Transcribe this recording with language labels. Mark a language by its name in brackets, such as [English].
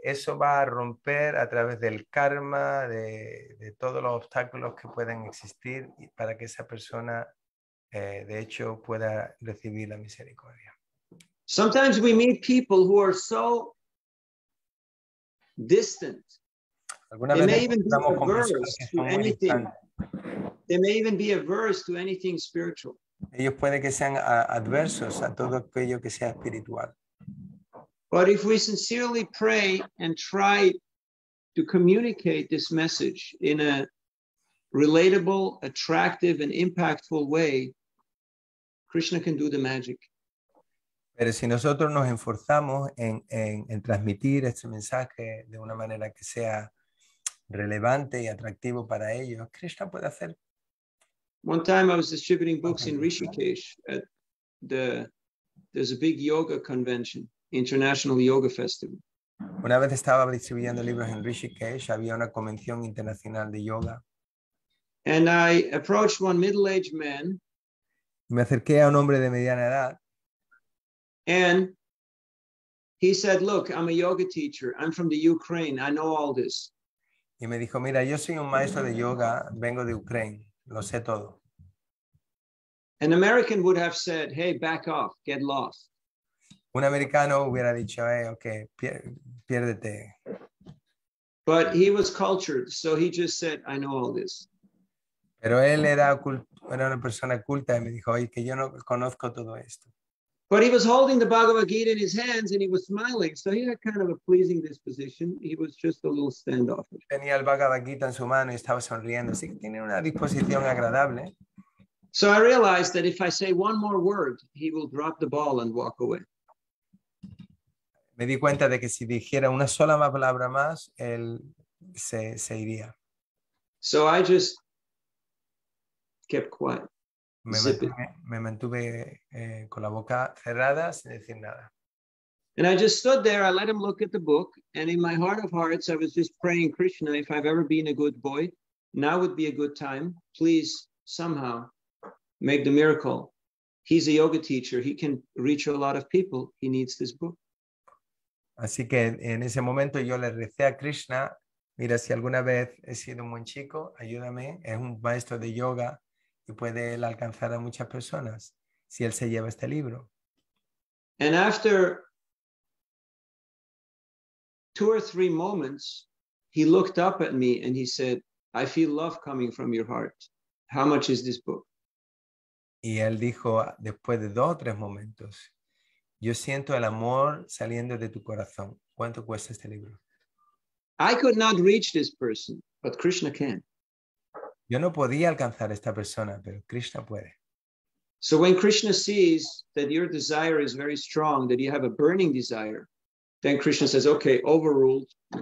[Spanish] Eso va a romper a través del karma, de todos los obstáculos que pueden existir para que esa persona, de hecho, pueda recibir la misericordia. [English] Sometimes we meet people who are so distant. [Spanish] Alguna [English] they [Spanish] vez [English] may even be averse to anything. Distantes. They may even be averse to anything spiritual. [Spanish] Ellos puede que sean adversos a todo aquello que sea espiritual. [English] But if we sincerely pray and try to communicate this message in a relatable, attractive, and impactful way, Krishna can do the magic. [Spanish] Pero si nosotros nos esforzamos en transmitir este mensaje de una manera que sea relevante y atractivo para ellos, Krishna puede hacer. [English] One time I was distributing books in Rishikesh at there's a big yoga convention, International Yoga Festival. [Spanish] Una vez estaba distribuyendo libros en Rishikesh, había una convención internacional de yoga. [English] And I approached one middle-aged man. [Spanish] Me acerqué a un hombre de mediana edad. [English] And he said, "Look, I'm a yoga teacher. I'm from the Ukraine. I know all this." [Spanish] Y me dijo, "Mira, yo soy un maestro de yoga, vengo de Ucrania. Lo sé todo." [English] An American would have said, "Hey, back off, get lost." [Spanish] Un americano hubiera dicho, "Hey, okay, piérdete." [English] But he was cultured, so he just said, "I know all this." [Spanish] Pero él era una persona culta y me dijo, "Oye, que yo no conozco todo esto." [English] But he was holding the Bhagavad Gita in his hands and he was smiling, so he had kind of a pleasing disposition. He was just a little standoffish. [Spanish] Tenía el Bhagavad Gita en su mano y estaba sonriendo, así que tiene una disposición agradable. [English] So I realized that if I say one more word, he will drop the ball and walk away. [Spanish] Me di cuenta de que si dijera una sola palabra más, él se iría. [English] So I just kept quiet. [Spanish] Me mantuve con la boca cerrada sin decir nada. [English] And I just stood there, I let him look at the book, and in my heart of hearts I was just praying, "Krishna, if I've ever been a good boy, now would be a good time. Please somehow make the miracle. He's a yoga teacher, he can reach a lot of people, he needs this book." [Spanish] Así que en ese momento yo le recé a Krishna, "Mira, si alguna vez he sido un buen chico, ayúdame, es un maestro de yoga y puede él alcanzar a muchas personas si él se lleva este libro." [English] And after two or three moments, he looked up at me and he said, I feel love coming from your heart. How much is this book? [Spanish] Y él dijo, después de dos o tres momentos, yo siento el amor saliendo de tu corazón. ¿Cuánto cuesta este libro? [English] I could not reach this person, but Krishna can. [Spanish] Yo no podía alcanzar a esta persona, pero Krishna puede. [English] So when Krishna sees that your desire is very strong, that you have a burning desire, then Krishna says, okay, overruled.